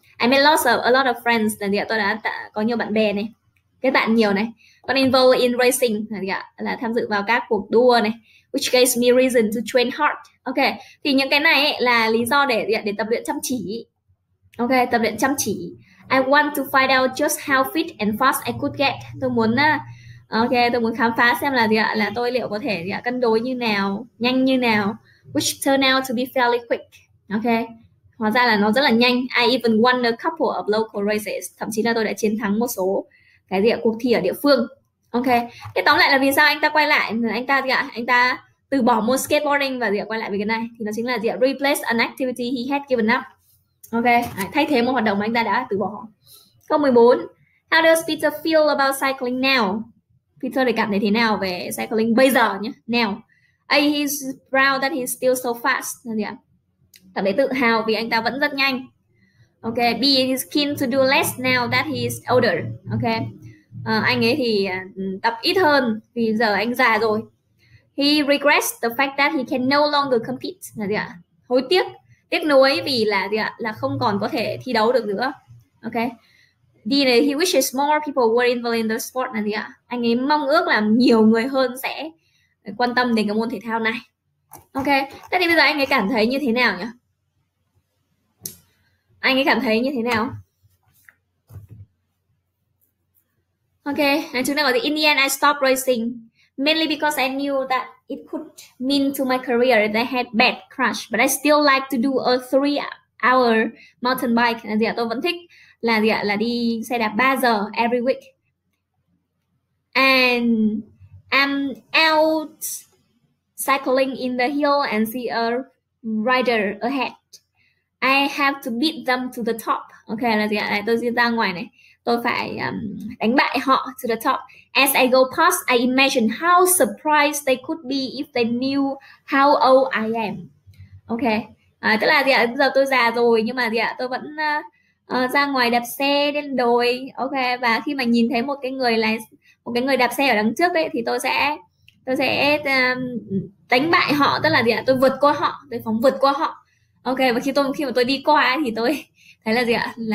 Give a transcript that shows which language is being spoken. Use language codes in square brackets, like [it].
[en] I made lots of a lot of friends, [vi] là gì ạ? Tôi đã có nhiều bạn bè này, kết bạn nhiều này. Còn [en] involved in racing [vi] là gì ạ? Là tham dự vào các cuộc đua này, [en] which gave me reason to train hard. [vi] Ok, thì những cái này ấy là lý do để tập luyện chăm chỉ. Ok, tập luyện chăm chỉ. [en] I want to find out just how fit and fast I could get. [vi] Tôi muốn ok, tôi muốn khám phá xem là gì ạ? Là tôi liệu có thể gì ạ? Cân đối như nào, nhanh như nào, [en] which turned out to be fairly quick. [vi] Ok. Hóa ra là nó rất là nhanh. [en] I even won a couple of local races, [vi] thậm chí là tôi đã chiến thắng một số cái gì ạ? Cuộc thi ở địa phương. Ok. Cái tóm lại là vì sao anh ta quay lại, anh ta gì ạ? Anh ta từ bỏ môn skateboarding và gì ạ? Quay lại với cái này thì nó chính là gì ạ? [en] Replace an activity he had given up. [vi] Ok, thay thế một hoạt động mà anh ta đã từ bỏ. Câu 14. [en] How does Peter feel about cycling now? [vi] Peter thì cảm thấy thế nào về cycling bây giờ nhé? [en] Now. A, he's proud that he's still so fast. [vi] Là gì ạ? Cảm thấy tự hào vì anh ta vẫn rất nhanh. Ok, B, [en] he's keen to do less now that he's older. [vi] Ok. Anh ấy thì tập ít hơn vì giờ anh già rồi. [en] He regrets the fact that he can no longer compete. [vi] Là gì ạ? Hối tiếc. Tiếc nuối vì là gì ạ? Là không còn có thể thi đấu được nữa. Ok. [en] này, he wishes more people were involved in the sport [vi] này ạ. Anh ấy mong ước là nhiều người hơn sẽ quan tâm đến cái môn thể thao này. Ok, thế thì bây giờ anh ấy cảm thấy như thế nào nhỉ? Anh ấy cảm thấy như thế nào? [en] Ok, [vi] chúng ta gọi là [en] in the end I stopped racing mainly because I knew that it could mean to my career that I had bad crash, but I still like to do a 3-hour mountain bike. [vi] Là gì ạ? Tôi vẫn thích là gì ạ? Là đi xe đạp 3 giờ [en] every week. And I'm out cycling in the hill and see a rider ahead. I have to beat them to the top. [vi] Ok, là gì ạ? Là tôi đi ra ngoài này. Tôi phải đánh bại họ [en] to the top. As I go past, I imagine how surprised they could be if they knew how old I am. [vi] Ok, tức là gì ạ? Giờ tôi già rồi nhưng mà gì ạ? Tôi vẫn ra ngoài đạp xe lên đồi. Ok, và khi mà nhìn thấy một cái người lái, một cái người đạp xe ở đằng trước ấy, thì tôi sẽ đánh bại họ, tức là gì ạ? Tôi vượt qua họ, tôi phóng vượt qua họ. Ok, và khi mà tôi đi qua thì tôi thấy là gì ạ?